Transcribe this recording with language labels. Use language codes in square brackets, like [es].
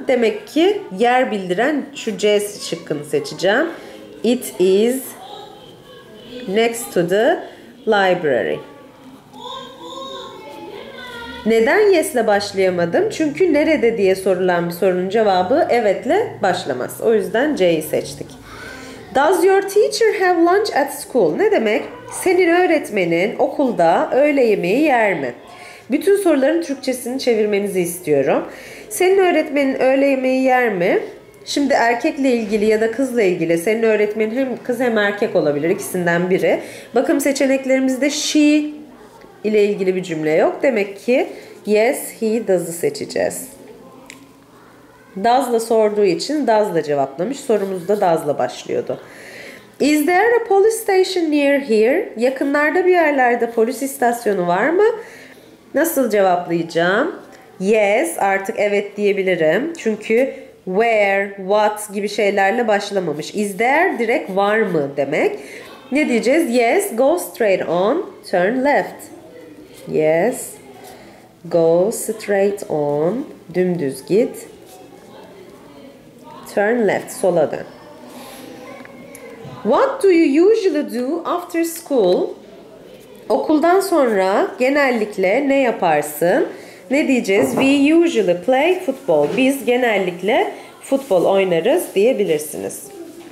[tr] Demek ki yer bildiren şu C şıkkını seçeceğim. [en] It is next to the library. [tr] Neden yes'le başlayamadım? Çünkü nerede diye sorulan bir sorunun cevabı evetle başlamaz. O yüzden C'yi seçtik. [en] Does your teacher have lunch at school? [tr] Ne demek? Senin öğretmenin okulda öğle yemeği yer mi? Bütün soruların Türkçesini çevirmenizi istiyorum. Senin öğretmenin öğle yemeği yer mi? Şimdi erkekle ilgili ya da kızla ilgili, senin öğretmenin hem kız hem erkek olabilir, ikisinden biri. Bakın seçeneklerimizde she ile ilgili bir cümle yok. Demek ki [en] yes he does'ı [tr] seçeceğiz. Does'la sorduğu için does'la cevaplamış. Sorumuz da does'la başlıyordu. [en] Is there a police station near here? [tr] Yakınlarda bir yerlerde polis istasyonu var mı? Nasıl cevaplayacağım? Yes, artık evet diyebilirim. Çünkü where, what gibi şeylerle başlamamış. Is there direkt var mı demek. Ne diyeceğiz? [en] Yes, go straight on, turn left. Yes, go straight on, [tr] dümdüz git, [en] turn left, [tr] sola dön. [en] What do you usually do after school? [tr] Okuldan sonra genellikle ne yaparsın? Ne diyeceğiz? [en] We usually play football. [tr] Biz genellikle futbol oynarız diyebilirsiniz.